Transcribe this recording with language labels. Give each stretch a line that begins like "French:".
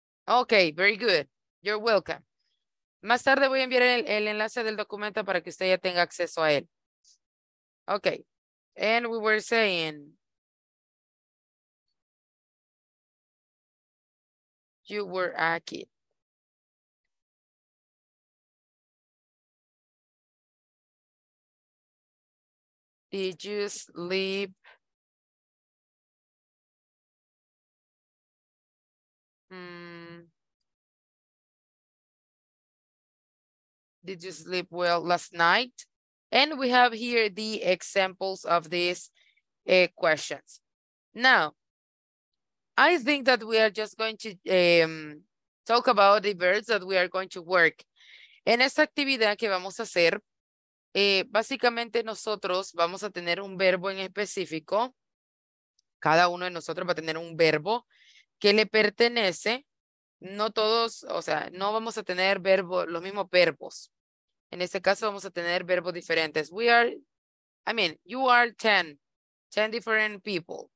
English: Okay, very good. You're welcome.
Spanish: Más tarde voy a enviar el enlace del documento para que usted ya tenga acceso a él.
English: Okay. And we were saying you were a kid. Did you sleep? Did you sleep well last night? And we have here the examples of these questions. Now, I think that we are just going to talk about the verbs that we are going to work.
Spanish: En esta actividad que vamos a hacer, básicamente nosotros vamos a tener un verbo en específico. Cada uno de nosotros va a tener un verbo que le pertenece. No todos, o sea, no vamos a tener verbo, los mismos verbos. En este caso vamos a tener verbos diferentes.
English: We are, I mean, you are 10 different people.